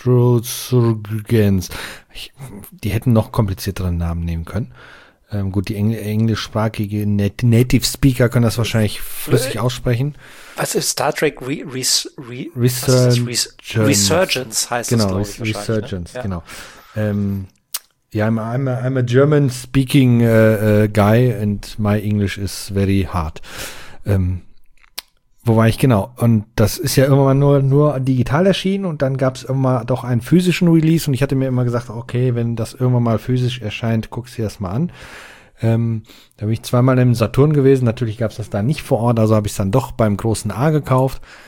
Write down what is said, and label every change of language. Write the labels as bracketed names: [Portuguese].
[German] Surgens. Die hätten noch komplizierteren Namen nehmen können. Gut, die englischsprachige Native Speaker können das wahrscheinlich flüssig aussprechen. Was ist Star Trek Resurgence heißt genau, das, glaube ich, Resurgence, ne? Genau. [English] Ja, I'm a German speaking guy and my English is very hard. [German] Wo war ich genau? Und das ist ja irgendwann nur digital erschienen und dann gab es immer doch einen physischen Release und ich hatte mir immer gesagt, okay, wenn das irgendwann mal physisch erscheint, guckst du dir das mal an. Da bin ich zweimal im Saturn gewesen, natürlich gab es das da nicht vor Ort, also habe ich es dann doch beim großen A gekauft.